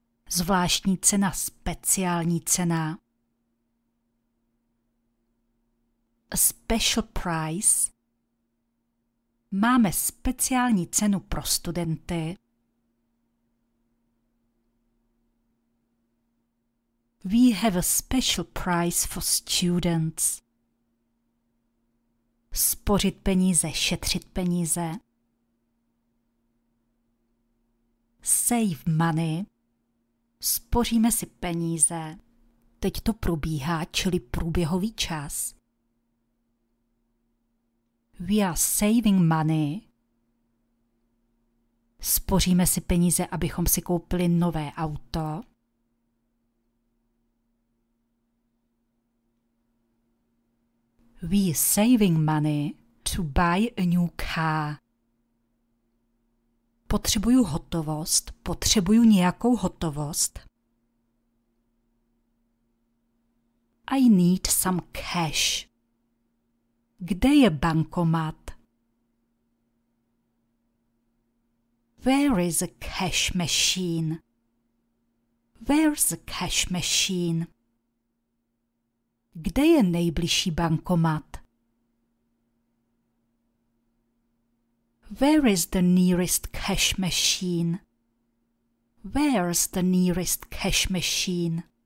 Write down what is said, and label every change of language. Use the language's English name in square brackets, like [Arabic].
[Czech] Zvláštní cena, speciální cena. [English] A special price. [Czech] Máme speciální cenu pro studenty. [English] We have a special price for students. [Czech] Spořit peníze, šetřit peníze. [English] Save money. [Czech] Spoříme si peníze. Teď to probíhá, čili průběhový čas. [English] We are saving money. [Czech] Spoříme si peníze, abychom si koupili nové auto. [English] We are saving money to buy a new car. [Czech] Potřebuju hotovost, potřebuju nějakou hotovost. [English] I need some cash. [Czech] Kde je bankomat? [English] Where is a cash machine? Where's a cash machine? [Czech] Kde je nejbližší bankomat? [English] Where is the nearest cash machine? Where's the nearest cash machine?